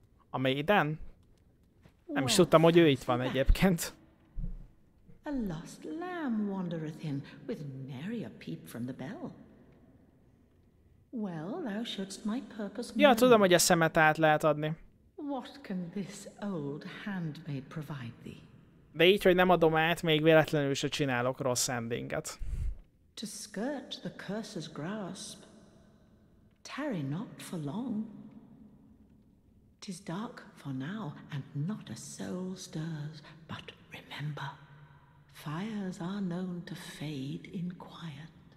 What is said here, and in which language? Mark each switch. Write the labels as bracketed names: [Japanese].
[Hungarian] A Maiden? Nem is tudtam, hogy ő itt van egyébként. [English] A lost lamb wandereth in, with nary a peep from the bell. Well, thou shouldst my purpose. [Hungarian] Ja, tudom, hogy a szemet át lehet adni. [English] What can this old handmaid provide thee? [Hungarian] De így, hogy nem adom át, még véletlenül se csinálok rossz endinget. [English] To skirt the curse's grasp. Tarry not for long. Tis dark for now, and not a soul stirs. But remember, fires are known to fade in quiet.